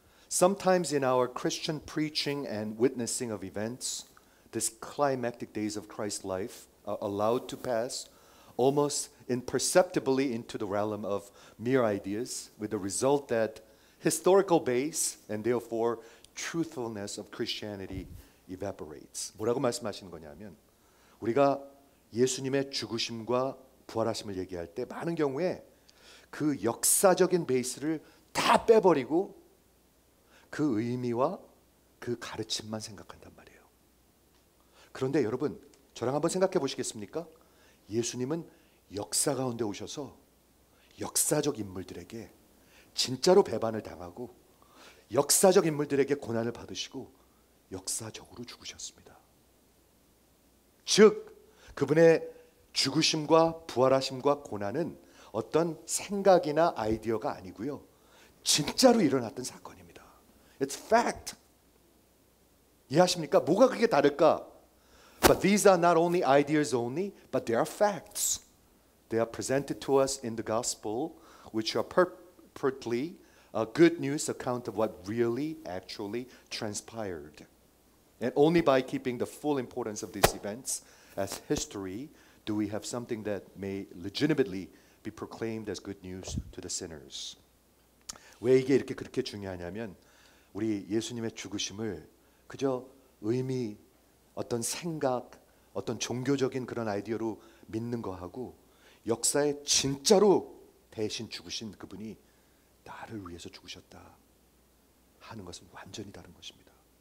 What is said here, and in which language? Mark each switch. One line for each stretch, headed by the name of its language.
English: Sometimes in our Christian preaching and witnessing of events, this climactic days of Christ's life are allowed to pass almost imperceptibly into the realm of mere ideas, with the result that historical base and therefore truthfulness of Christianity evaporates.
Korean: 뭐라고 말씀하시는 거냐면 우리가 예수님의 죽으심과 부활하심을 얘기할 때 많은 경우에 그 역사적인 베이스를 다 빼버리고 그 의미와 그 가르침만 생각한단 말이에요. 그런데 여러분, 저랑 한번 생각해 보시겠습니까? 예수님은 역사 가운데 오셔서 역사적 인물들에게 진짜로 배반을 당하고 역사적 인물들에게 고난을 받으시고 역사적으로 죽으셨습니다. 즉, 그분의 죽으심과 부활하심과 고난은 어떤 생각이나 아이디어가 아니고요, 진짜로 일어났던 사건입니다.
English: It's fact.
Korean: 이해하십니까? 뭐가 그게 다를까?
English: But these are not only ideas only, but they are facts. They are presented to us in the gospel, which are purportedly a good news account of what really, actually transpired. And only by keeping the full importance of these events as history do we have something that may legitimately be proclaimed as good news to the sinners.
Korean: 왜 이게 이렇게 그렇게 중요하냐면 우리 예수님의 죽으심을 그저 의미, 어떤 생각, 어떤 종교적인 그런 아이디어로 믿는 거하고 역사에 진짜로 대신 죽으신 그분이 나를 위해서 죽으셨다 하는 것은 완전히 다른 것입니다.